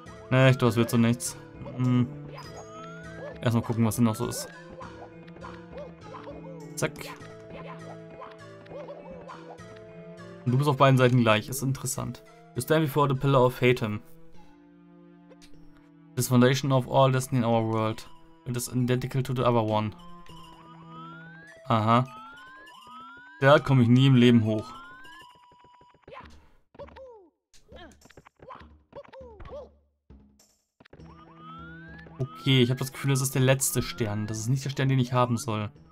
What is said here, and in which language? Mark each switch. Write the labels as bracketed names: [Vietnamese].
[German] Nee, ich glaube, es wird so nichts. Erstmal gucken, was denn noch so ist. Zack. Und du bist auf beiden Seiten gleich, ist interessant. [English] You stand before the Pillar of Fatum. This foundation of all destiny in our world. It is identical to the other one. [German] Aha. Da komme ich nie im Leben hoch. Okay, ich habe das Gefühl, das ist der letzte Stern. Das ist nicht der Stern, den ich haben soll.